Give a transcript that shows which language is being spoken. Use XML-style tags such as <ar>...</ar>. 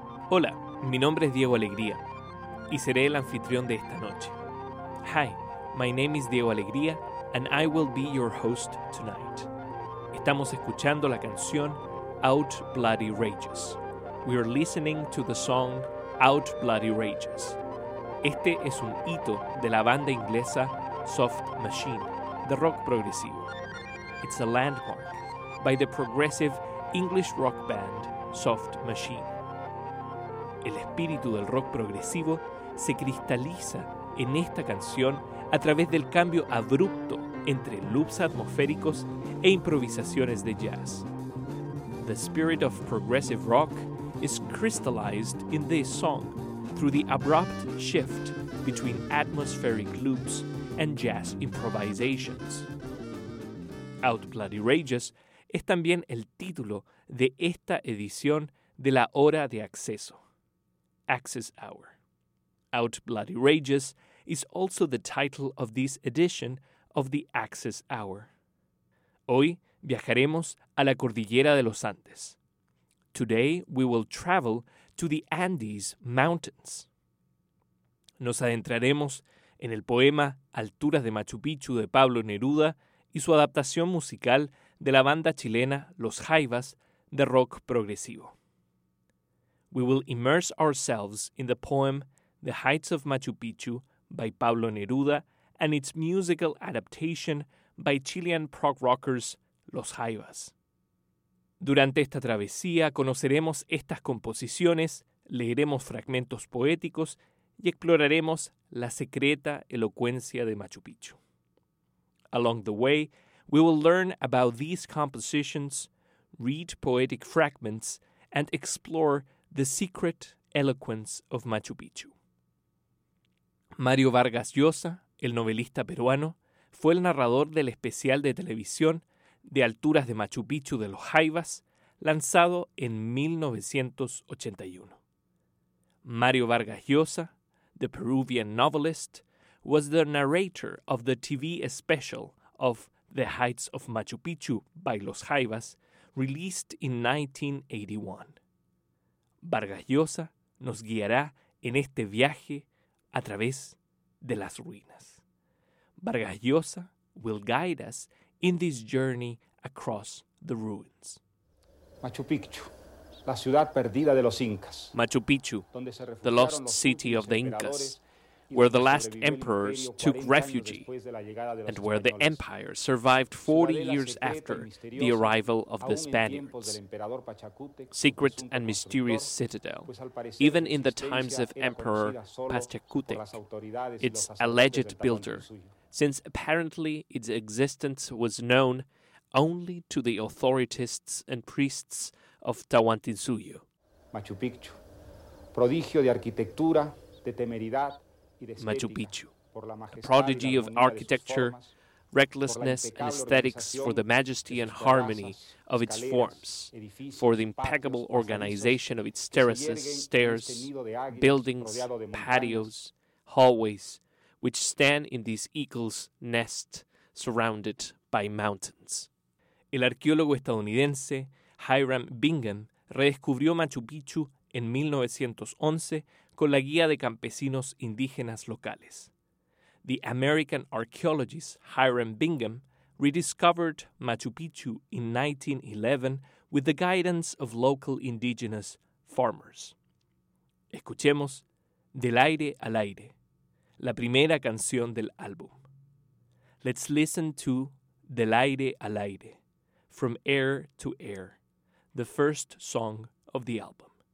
<es>Hola, mi nombre es Diego Alegría y seré el anfitrión de esta noche.</es> <en>Hi, my name is Diego Alegría and I will be your host tonight.</en> <es>Estamos escuchando la canción Out-Bloody-Rageous.</es> <en>We are listening to the song Out-Bloody-Rageous.</en> <es>Este es un hito de la banda inglesa Soft Machine, de rock progresivo.</es> <en>It's a landmark by the progressive English rock band Soft Machine.</en> <es>El espíritu del rock progresivo se cristaliza en esta canción a través del cambio abrupto entre loops atmosféricos e improvisaciones de jazz.</es> <en>The spirit of progressive rock is crystallized in this song through the abrupt shift between atmospheric loops and jazz improvisations.</en> <es>Out-Bloody-Rageous es también el título de esta edición de la Hora de Acceso.</es> <en>Access Hour. Out-Bloody-Rageous is also the title of this edition of the Access Hour.</en> <es>Hoy viajaremos a la Cordillera de los Andes.</es> <en>Today we will travel to the Andes Mountains.</en> <es>Nos adentraremos en el poema Alturas de Machu Picchu de Pablo Neruda y su adaptación musical de la banda chilena Los Jaivas de rock progresivo.</es> <en>We will immerse ourselves in the poem The Heights of Machu Picchu by Pablo Neruda and its musical adaptation by Chilean prog rockers Los Jaivas.</en> <es>Durante esta travesía conoceremos estas composiciones, leeremos fragmentos poéticos y exploraremos la secreta elocuencia de Machu Picchu.</es> <en>Along the way, we will learn about these compositions, read poetic fragments, and explore the secret eloquence of Machu Picchu.</en> <es>Mario Vargas Llosa, el novelista peruano, fue el narrador del especial de televisión de Alturas de Machu Picchu de Los Jaivas, lanzado en 1981.</es> <en>Mario Vargas Llosa, the Peruvian novelist, was the narrator of the TV special of The Heights of Machu Picchu by Los Jaivas, released in 1981.</en> <es>Vargas Llosa nos guiará en este viaje a través de las ruinas.</es> <en>Vargas Llosa will guide us in this journey across the ruins.</en> <es>Machu Picchu, la ciudad perdida de los Incas.</es> <en>Machu Picchu, the lost city of the Incas, where the last emperors took refuge and where the empire survived 40 years after the arrival of the Spaniards. Secret and mysterious citadel, even in the times of Emperor Pachacutec, its alleged builder, since apparently its existence was known only to the authorities and priests of Tahuantinsuyo.</en> <es>Machu Picchu, prodigio de arquitectura, de temeridad,</es> <en>Machu Picchu, a prodigy of architecture, recklessness and aesthetics for the majesty and harmony of its forms, for the impeccable organization of its terraces, stairs, buildings, patios, hallways, which stand in this eagle's nest surrounded by mountains.</en> <es>El arqueólogo estadounidense Hiram Bingham redescubrió Machu Picchu en 1911 con la guía de campesinos indígenas locales.</es> <en>The American archaeologist Hiram Bingham rediscovered Machu Picchu in 1911 with the guidance of local indigenous farmers.</en> <es>Escuchemos Del Aire al Aire, la primera canción del álbum.</es> <en>Let's listen to Del Aire al Aire, From Air to Air, the first song of the album.</en>